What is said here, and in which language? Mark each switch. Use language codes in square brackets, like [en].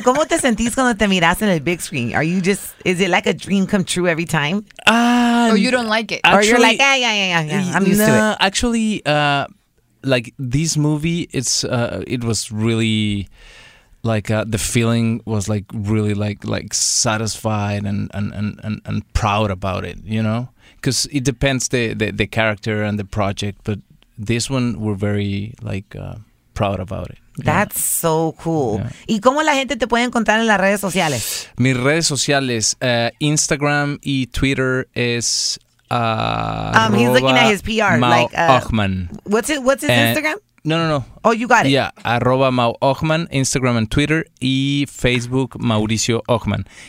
[es] ¿Cómo te sentís cuando te miras en el big screen? [en] Are you just, is it like a dream come true every time? Or you don't like it? Actually, or you're like, yeah, I'm used to it. Actually, like this movie, it was really like the feeling was like really like satisfied and proud about it, you know? Because it depends the character and the project, but this one we're very like... proud about it. That's so cool. [es] Yeah. ¿Y cómo la gente te puede encontrar en las redes sociales? Mis redes sociales, Instagram y Twitter es [en] he's looking at his PR. Mauricio Ochman. What's his Instagram? No. Oh, you got it. Yeah, @MauOchman, Instagram and Twitter, y Facebook Mauricio Ochman.